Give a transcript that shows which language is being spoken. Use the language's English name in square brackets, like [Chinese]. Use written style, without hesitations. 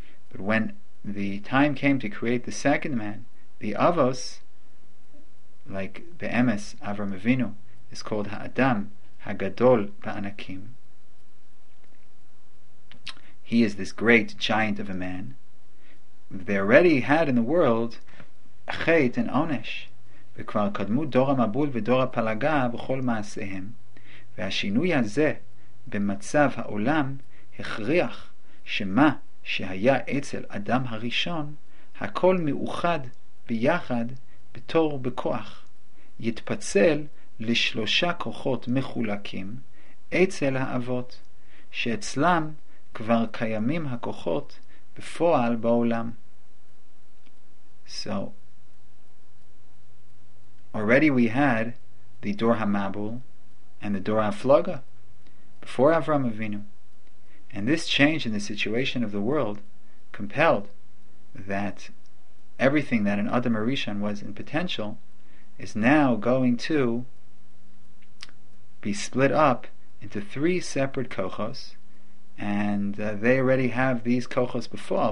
[English] But when the time came to create the second man, the avos, like Be'emes Avram Avinu, is called Ha'adam Hagadol Ba'anakim. He is this great giant of a man. They already had in the world Chet and Onesh. [Hebrew] V'kvar kadmu dor ha'mabul v'dor ha'palaga v'chol ma'aseihem. V'ha'shinui hazeh b'matzav ha'olam hechriach shema שהיה אצל אדם הראשון, הכל מאוחד ביחד בתור בכוח, יתפצל לשלושה כוחות מחולקים אצל האבות, שאצלם כבר קיימים הכוחות בפועל בעולם. [English] So, already we had the Dor HaMabul and the Dor HaFlaga before Avram Avinu. And this change in the situation of the world compelled that everything that in Adam HaRishon was in potential is now going to be split up into three separate kochos, and they already have these kochos before.